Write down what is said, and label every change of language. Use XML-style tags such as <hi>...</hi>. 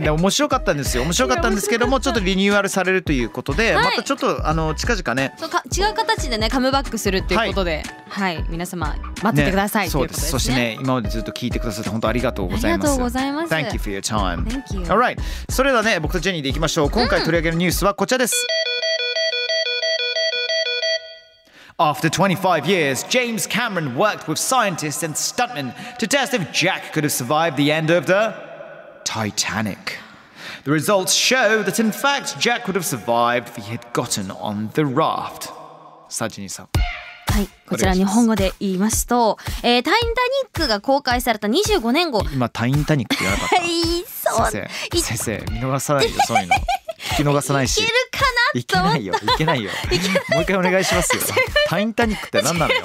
<ja>で、面白かったんですよ。面白かったんですけども、ちょっとリニューアルされるということで、またちょっと近々ね、そう、違う形でね、カムバックするっていうことで、はい、皆様待っててください。そうです。そしてね、今までずっと聞いてくださって本当ありがとうございます。ありがとうございます。</ja> <en>Thank you for your time. Thank you.</en> <ja>Alright, それではね、僕とジェニーでいきましょう。今回取り上げるニュースはこちらです。</ja> <en>After 25 years, James Cameron worked with scientists and stuntmen to test if Jack could have survived the end of the Titanic. The results show that in fact Jack would have survived if he had gotten on the raft.</en> <ja>さあ、ジェニーさん。はい、こちら日本語で言いますと、タインタニックが公開された25年後。今タインタニックって言わなかった。はい、そう。先生、見逃さないよ、そういうの。聞き逃さないし。いけるかなと思った。いけないよ、いけないよ。もう一回お願いしますよ。タインタニックって何なのよ。</ja>